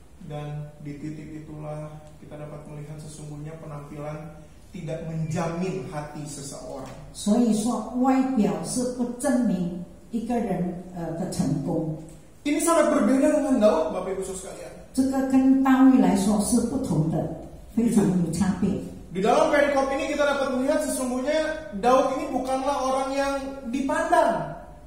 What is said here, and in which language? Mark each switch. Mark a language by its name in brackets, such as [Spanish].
[Indonesian] Dan di titik itulah kita dapat melihat sesungguhnya penampilan tidak menjamin hati seseorang. [Chinese] 所以说外表是不证明一个人的成功。 [Indonesian] Ini sangat berbeda dengan Daud, Bapak Ibu sekalian. [Chinese] 这个跟大卫来说是不同的。 [Indonesian] Di dalam perikop ini kita dapat melihat sesungguhnya Daud ini bukanlah orang yang dipandang.